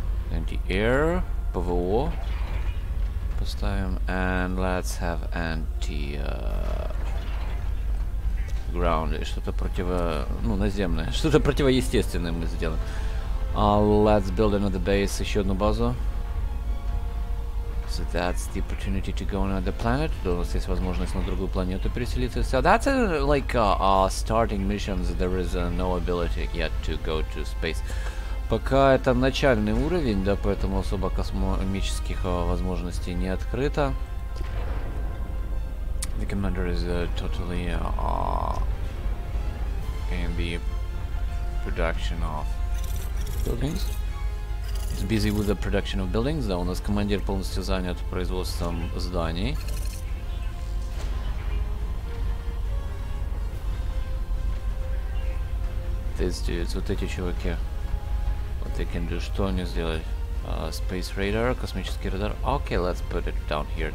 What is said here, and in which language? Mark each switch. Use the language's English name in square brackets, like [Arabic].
[Russian] Anti-air, ПВО. Поставим. [English] And let's have anti ground. [Russian] Что-то противо... Ну, наземное. Что-то противоестественное мы сделаем. [English] Let's build another base. [Russian] Еще одну базу. [English] So that's the opportunity to go on another planet. [Russian] У нас есть возможность на другую планету переселиться. [English] So that's a, like a starting mission. There is no ability yet to go to space. [Russian] Пока это начальный уровень, да, поэтому особо космических возможностей не открыто. [English] The commander is totally in the production of buildings. He's busy with the production of buildings. [Russian] Да, у нас командир полностью занят производством зданий. [English] These dudes, [Russian] вот эти чуваки. [English] What they can do, [Russian] что они сделают? [English] Space radar, [Russian] космический радар. [English] Okay, let's put it down here.